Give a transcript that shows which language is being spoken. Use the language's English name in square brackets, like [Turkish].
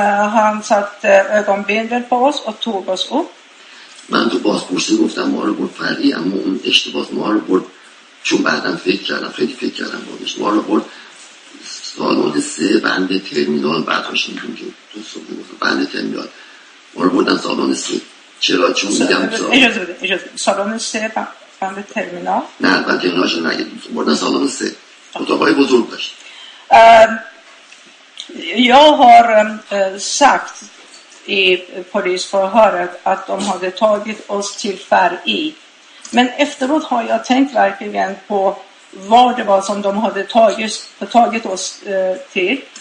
[Swedish] Han satte ögonbindel på oss och tog oss upp. [Persian] من تو بازپرسی گفتم ما رو برد فردی، اما اون اشتباه ما رو برد، چون بعدم فکر کردم، خیلی فکر کردم بازش، ما رو برد سالون سه بند ترمینال، بعد هاشم دیم که تو صبح گفتم بند ترمینال، ما رو بردن سالون سه. چرا؟ چون میگم سالون اجازه سالون سه بند ترمینال، نه بند ترمینال شد نگه بردن سالون سه، اتاقای بزرگ داشت. [Swedish] یا هار سکت i polisförhöret att de hade tagit oss till Färi. Men efteråt har jag tänkt verkligen på var det var som de hade tagit oss till.